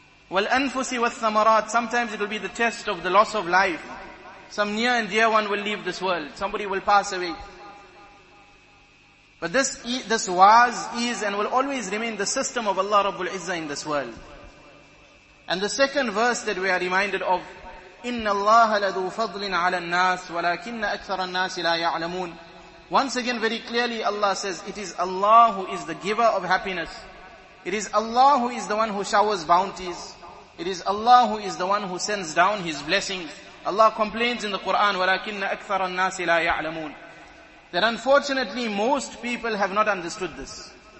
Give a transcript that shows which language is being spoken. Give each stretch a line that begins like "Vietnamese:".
Arabic: وَالْأَنفُسِ وَالثَّمَرَاتِ.
English: Sometimes it will be the test of the loss of life. Some near and dear one will leave this world. Somebody will pass away. But this was, is, and will always remain the system of Allah Rabbul Izzah in this world. And the second verse that we are reminded of,
Arabic: إِنَّ اللَّهَ لَذُو فَضْلٍ عَلَى النَّاسِ وَلَكِنَّ أَكْثَرَ النَّاسِ لَا يَعْلَمُونَ.
English: Once again, very clearly Allah says, it is Allah who is the giver of happiness. It is Allah who is the one who showers bounties. It is Allah who is the one who sends down His blessings. Allah complains in the Quran,
Arabic: وَلَكِنَّ أَكْثَرَ النَّاسِ لَا يَعْلَمُونَ.
English: That unfortunately most people have not understood this.